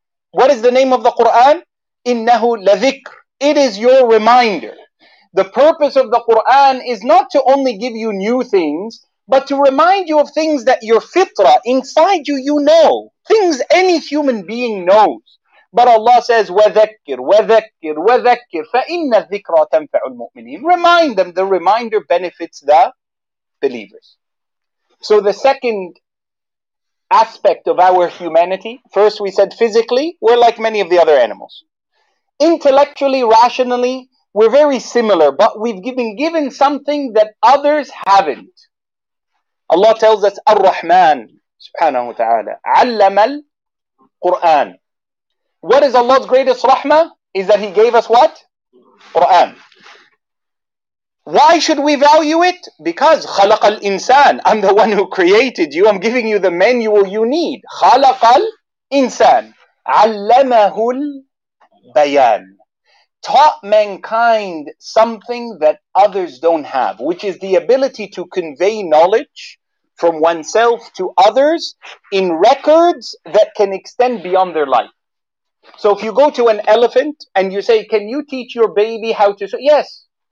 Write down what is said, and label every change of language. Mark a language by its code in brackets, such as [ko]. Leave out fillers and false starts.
[en] What is the name of the Qur'an? [ar] Innahu la dhikr. [en] It is your reminder. The purpose of the Qur'an is not to only give you new things, but to remind you of things that your fitra inside you know. Things any human being knows. [ar] But Allah says, وَذَكِّرْ وَذَكِّرْ وَذَكِّرْ فَإِنَّ الذِّكْرَ تَنْفَعُ الْمُؤْمِنِينَ. [en] Remind them, the reminder benefits the believers. So the second aspect of our humanity, first we said physically, we're like many of the other animals. Intellectually, rationally, we're very similar, but we've been given something that others haven't. Allah tells us, Ar-Rahman, subhanahu wa ta'ala, allama al-Qur'an. What is Allah's greatest rahmah? Is that He gave us what? Qur'an. Why should we value it? [ar] Because خلق الإنسان. [en] I'm the one who created you. I'm giving you the manual you need. [ar] خلق الإنسان. علمه البيان. [en] taught mankind something that others don't have, which is the ability to convey knowledge from oneself to others in records that can extend beyond their life. So if you go to an elephant and you say, can you teach your baby how to swim? Yes.